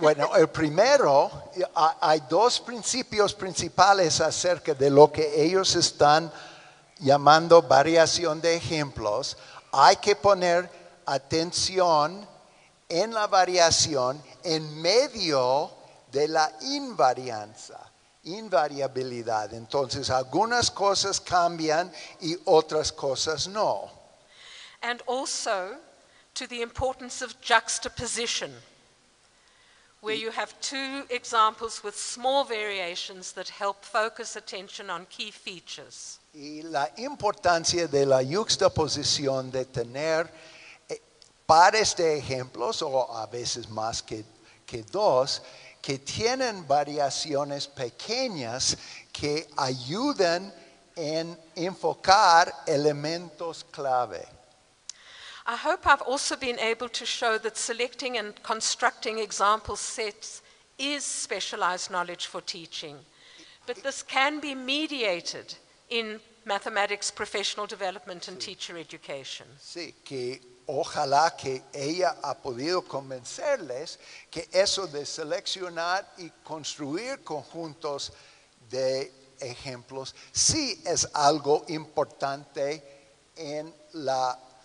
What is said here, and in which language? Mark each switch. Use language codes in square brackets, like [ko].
[es] Bueno, el primero, hay dos principios principales acerca de lo que ellos están llamando variación de ejemplos. Hay que poner atención en la variación en medio de la invarianza, invariabilidad. Entonces, algunas cosas cambian y otras cosas no. [en] And also to the importance of juxtaposition, where you have two examples with small variations that help focus attention on key features. [es] Y la importancia de la juxtaposición de tener pares de ejemplos, o a veces más que dos, que tienen variaciones pequeñas que ayudan en enfocar elementos clave. [en] I hope I've also been able to show that selecting and constructing example sets is specialized knowledge for teaching. But this can be mediated in mathematics professional development and teacher education. [es] Sí, que ojalá que ella ha podido convencerles que eso de seleccionar y construir conjuntos de ejemplos sí es algo importante en la